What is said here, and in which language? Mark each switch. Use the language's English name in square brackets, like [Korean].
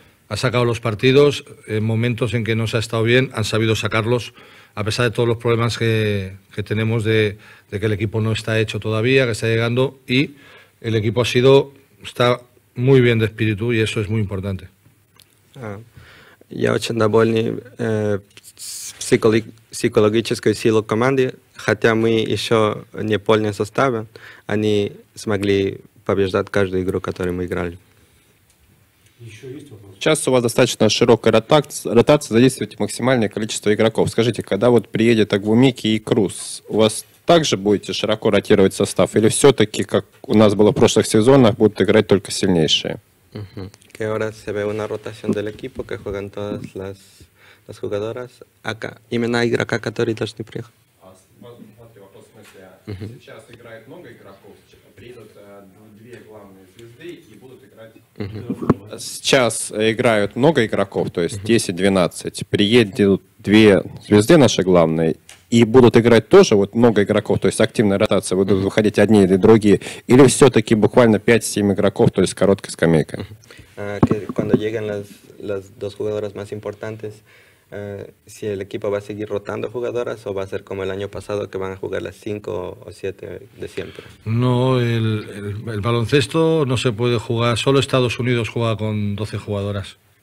[Spanish] Ha sacado los partidos en momentos en que no se ha estado bien, han sabido sacarlos a pesar de todos los problemas que tenemos de que el equipo no está hecho todavía, que está llegando y el equipo está muy bien de espíritu y eso es muy importante. [Russian] Я очень доволен психологической силой команды, хотя мы еще не полный состав, они смогли побеждать каждую игру, которую мы играли. Сейчас у вас достаточно широкая ротация, задействуйте максимальное количество игроков. Скажите, когда вот приедет Агвумики и Круз, у вас также будете широко ротировать состав? Или все-таки, как у нас было в прошлых сезонах, будут играть только сильнейшие? [Spanish] Que ahora se ve una rotación del equipo, que juegan todas las jugadoras. [Russian] Acá, имена игрока, которые должны приехать. Смотри, вопрос в смысле, сейчас играет много игроков, приедут две главные звезды и будут играть... Сейчас играют много игроков, то есть 10-12, приедут две звезды наши главные, и будут играть тоже вот много игроков, то есть активная ротация, будут выходить одни или другие, или все-таки буквально 5-7 игроков, то есть короткая скамейка? [Spanish] Cuando llegan las dos jugadoras más importantes, si el equipo va a seguir rotando jugadoras o va a ser como el año pasado, que van a jugar las 5 o 7 de siempre. No, el baloncesto no se puede jugar, solo Estados Unidos juega con 12 jugadoras.